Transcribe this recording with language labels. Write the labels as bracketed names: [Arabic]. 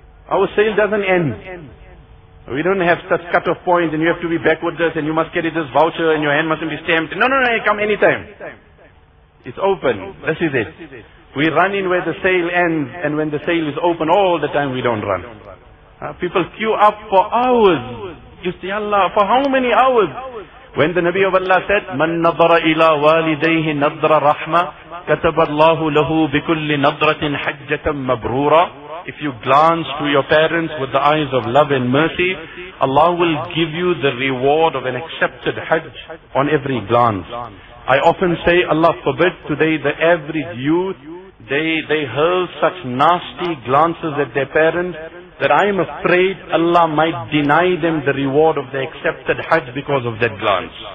[English] Our sale doesn't end. We don't have such cut-off points and you have to be backwards and you must carry this voucher and your hand mustn't be stamped. No, come anytime. It's open. This is it. We run in where the sale ends, and when the sale is open all the time we don't run. People queue up for hours. You see Allah, for how many hours? When the Nabi of Allah said, [Arabic] مَن نَظَرَ إِلَىٰ وَالِدَيْهِ نَظْرَ رَحْمَةٍ كَتَبَ اللَّهُ لَهُ بِكُلِّ نَظْرَةٍ حَجَّةً مَبْرُورًا. [English] If you glance to your parents with the eyes of love and mercy, Allah will give you the reward of an accepted hajj on every glance. I often say, Allah forbid, today the average youth, they hurl such nasty glances at their parents that I am afraid Allah might deny them the reward of the accepted hajj because of that glance.